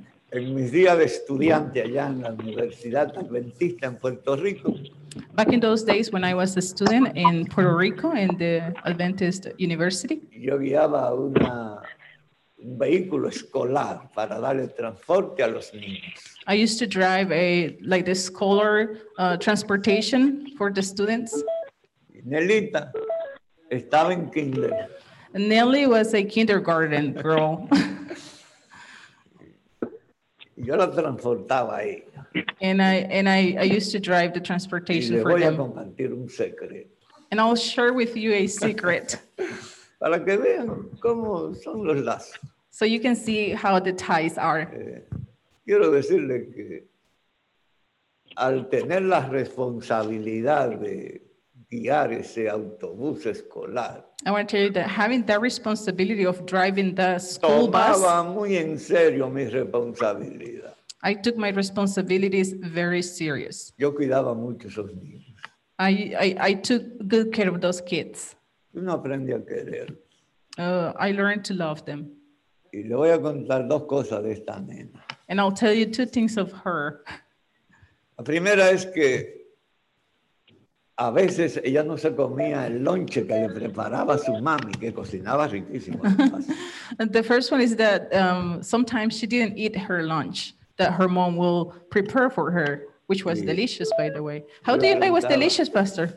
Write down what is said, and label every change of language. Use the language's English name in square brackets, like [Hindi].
[Spanish] En mis días de estudiante allá en la Universidad Adventista en Puerto Rico. [English] Back in those days when I was a student in Puerto Rico in the Adventist University. [Spanish] Yo guiaba un vehículo escolar para darle transporte a los niños. [English] I used to drive the scholar transportation for the students. [Spanish] Nelita estaba en kinder. [English] Nelly was a kindergarten girl. [Spanish] Yo la transportaba ahí. [English] And I used to drive the transportation for them. [Spanish] A compartir un secreto. [English] And I'll share with you a secret. [Spanish] Para que vean cómo son los lazos. [English] So you can see how the ties are. [Spanish] Quiero decirle que al tener la responsabilidad de guiar ese autobús escolar. [English] I want to tell you that having that responsibility of driving the school [Spanish] tomaba [English] bus. [Spanish] Tomaba muy en serio mi responsabilidad. [English] I took my responsibilities very serious. [Spanish] Yo cuidaba mucho esos niños. [English] I took good care of those kids. [Spanish] Uno aprende a querer. [English] I learned to love them. [Spanish] Y le voy a contar dos cosas de esta nena. [English] And I'll tell you two things of her. [Spanish] La primera es que A veces ella no se comía el lunch que le preparaba su mami, que cocinaba riquísimo. [English] The first one is that sometimes she didn't eat her lunch that her mom will prepare for her, which was delicious, by the way. How do you know it was delicious, Pastor?